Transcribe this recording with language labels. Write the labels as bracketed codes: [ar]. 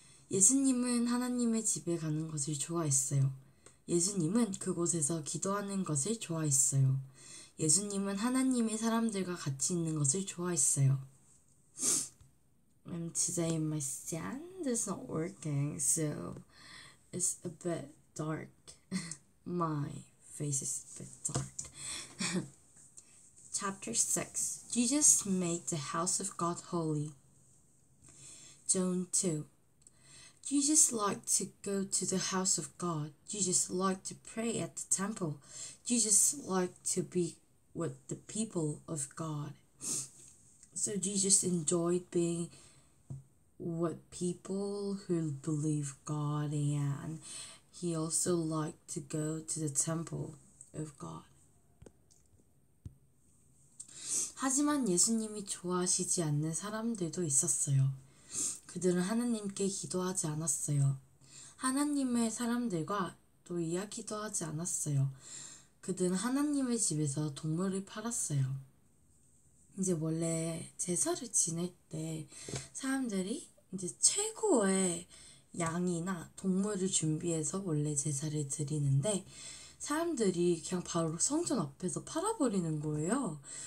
[ko] 예수님은 하나님의 집에 가는 것을 좋아했어요. 예수님은 그곳에서 기도하는 것을 좋아했어요. 예수님은 하나님의 사람들과 같이 있는 것을 좋아했어요. [en] Today my stand is not working, so it's a bit dark. My face is a bit dark. Chapter 6. Jesus made the house of God holy. Zone 2. Jesus liked to go to the house of God. Jesus liked to pray at the temple. Jesus liked to be with the people of God. So Jesus enjoyed being with people who believe God, and he also liked to go to the temple of God. [ko] 하지만 예수님이 좋아하시지 않는 사람들도 있었어요. 그들은 하나님께 기도하지 않았어요. 하나님의 사람들과 또 이야기도 하지 않았어요. 그들은 하나님의 집에서 동물을 팔았어요. 이제 원래 제사를 지낼 때 사람들이 이제 최고의 양이나 동물을 준비해서 원래 제사를 드리는데 사람들이 그냥 바로 성전 앞에서 팔아버리는 거예요.